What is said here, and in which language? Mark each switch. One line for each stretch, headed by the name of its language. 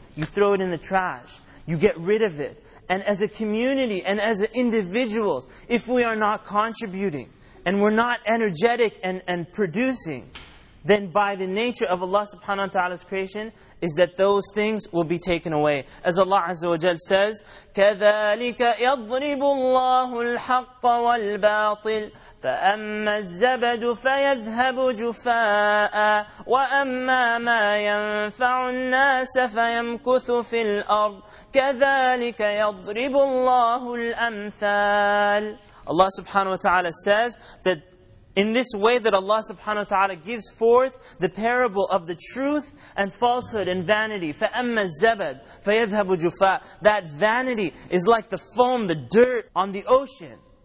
English: You throw it in the trash. You get rid of it. And as a community and as individuals, if we are not contributing and we're not energetic and producing, then by the nature of Allah subhanahu wa ta'ala's creation, is that those things will be taken away. As Allah Azza wa Jal says,
Arabic: كَذَلِكَ يَضْرِبُ اللَّهُ الْحَقَّ وَالْبَاطِلِ فَأَمَّا الزَّبَدُ فَيَذْهَبُ جُفَاءً وَأَمَّا مَا يَنْفَعُ النَّاسَ فَيَمْكُثُ فِي الْأَرْضِ كَذَلِكَ يَضْرِبُ اللَّهُ الْأَمْثَالِ.
English: Allah subhanahu wa ta'ala says that in this way that Allah subhanahu wa ta'ala gives forth the parable of the truth and falsehood and vanity.
Arabic: فَأَمَّا الزَّبَدْ فَيَذْهَبُ جُفَاءً.
English: That vanity is like the foam, the dirt on the ocean.